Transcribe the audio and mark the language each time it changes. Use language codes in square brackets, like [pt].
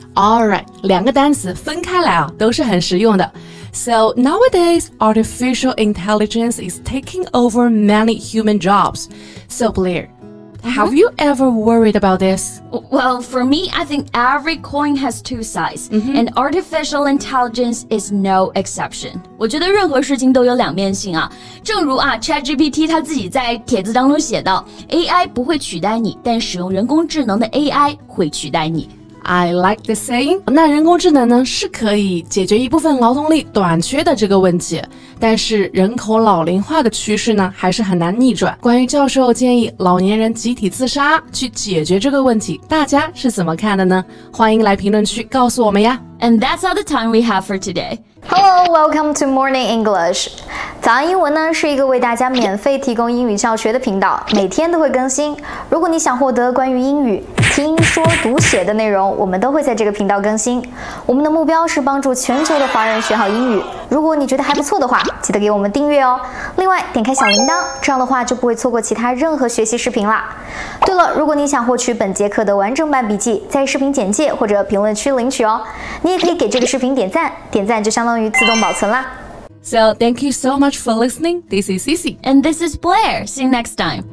[en] Alright [zh] 两个单词分开来啊都是很实用的 [en] So nowadays artificial intelligence is taking over many human jobs So Blair Have you ever worried about this? Well, for me, I think every coin has two sides, and artificial intelligence is no exception. [zh] 我觉得任何事情都有两面性啊。正如啊 ,ChatGPT 他自己在帖子当中写到 ,AI 不会取代你,但使用人工智能的 AI 会取代你。 [en] I like the saying. [zh] 那人工智能呢是可以解决一部分劳动力短缺的这个问题但是人口老龄化的趋势呢还是很难逆转。关于教授建议老年人集体自杀去解决这个问题大家是怎么看的呢欢迎来评论区告诉我们呀。 [en] And that's all the time we have for today. Hello, welcome to Morning English. [zh] 早安英文呢是一个为大家免费提供英语教学的频道每天都会更新。如果你想获得关于英语听说读写的内容我们都会在这个频道更新我们的目标是帮助全球的华人学好英语如果你觉得还不错的话记得给我们订阅哦另外点开小铃铛这样的话就不会错过其他任何学习视频啦对了如果你想获取本节课的完整版笔记在视频简介或者评论区领取哦你也可以给这个视频点赞点赞就相当于自动保存啦 [en] So thank you so much for listening. This is Cici. And this is Blair. See you next time.